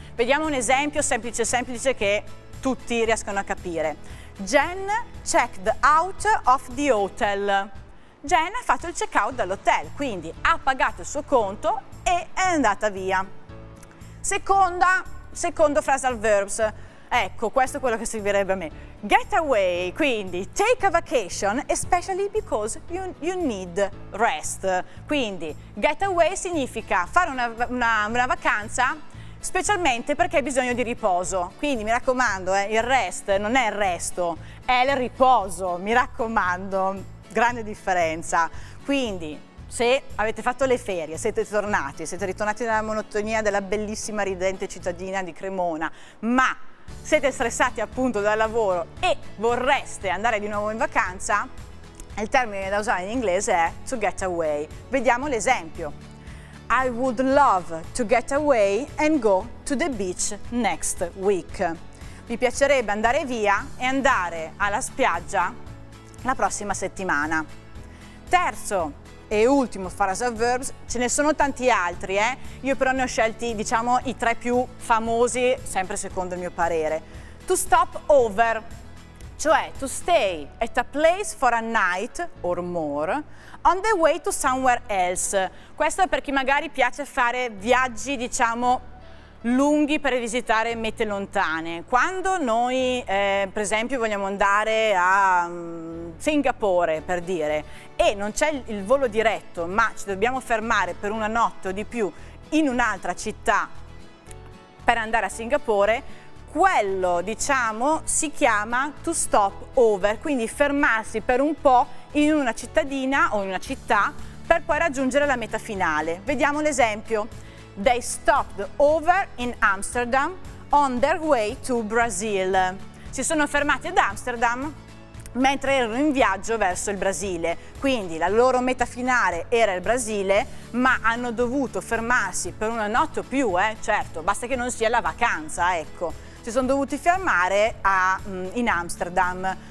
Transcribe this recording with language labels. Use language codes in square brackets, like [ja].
[it] Vediamo un esempio semplice che tutti riescono a capire. [en] Jen checked out of the hotel. [it] Jen ha fatto il check out dall'hotel, quindi ha pagato il suo conto e è andata via. Secondo phrasal verbs. Ecco, questo è quello che servirebbe a me. [en] Get away, quindi take a vacation, especially because you need rest. [it] Quindi, get away significa fare una vacanza, specialmente perché hai bisogno di riposo. Quindi, mi raccomando, il rest non è il resto, è il riposo, mi raccomando. Grande differenza. Quindi, se avete fatto le ferie, siete ritornati dalla monotonia della bellissima ridente cittadina di Cremona, ma siete stressati appunto dal lavoro e vorreste andare di nuovo in vacanza, il termine da usare in inglese è to get away. Vediamo l'esempio. [en] I would love to get away and go to the beach next week. [it] Mi piacerebbe andare via e andare alla spiaggia la prossima settimana. Terzo e ultimo phrasal verbs, ce ne sono tanti altri, io però ne ho scelti diciamo i tre più famosi, sempre secondo il mio parere. [en] To stop over, cioè to stay at a place for a night or more on the way to somewhere else. [it] Questo è per chi magari piace fare viaggi diciamo lunghi per visitare mete lontane. Quando noi per esempio vogliamo andare a Singapore, per dire, e non c'è il volo diretto, ma ci dobbiamo fermare per una notte o di più in un'altra città per andare a Singapore, quello diciamo si chiama to stop over, quindi fermarsi per un po' in una cittadina o in una città per poi raggiungere la meta finale. Vediamo l'esempio. [en] They stopped over in Amsterdam on their way to Brazil. [it] Si sono fermati ad Amsterdam mentre erano in viaggio verso il Brasile. Quindi la loro meta finale era il Brasile, ma hanno dovuto fermarsi per una notte o più, certo, basta che non sia la vacanza, ecco. Si sono dovuti fermare in Amsterdam.